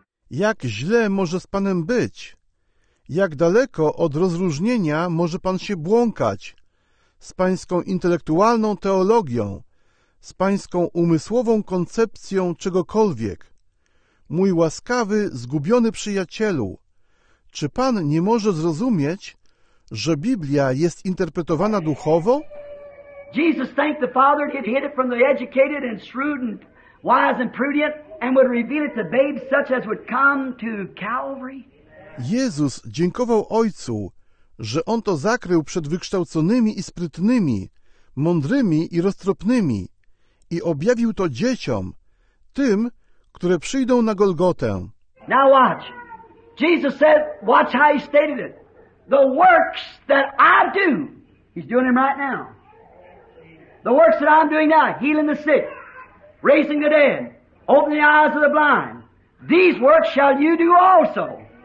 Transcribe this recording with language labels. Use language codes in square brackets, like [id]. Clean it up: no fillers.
[pl] Jak źle może z Panem być? Jak daleko od rozróżnienia może Pan się błąkać? Z Pańską intelektualną teologią, z Pańską umysłową koncepcją czegokolwiek. Mój łaskawy, zgubiony przyjacielu, czy Pan nie może zrozumieć, że Biblia jest interpretowana duchowo? [en] Jesus thanked the Father that he hid it from the educated and shrewd and wise and prudent, and would reveal it to babes such as would come to Calvary? [pl] Jezus dziękował Ojcu, że On to zakrył przed wykształconymi i sprytnymi, mądrymi i roztropnymi i objawił to dzieciom, tym, które przyjdą na Golgotę. [en] Now watch. Jesus said, watch how he stated it. The works that I do, he's doing them right now. The works that I'm doing now, healing the sick, raising the dead, opening the eyes of the blind, these works shall you do also.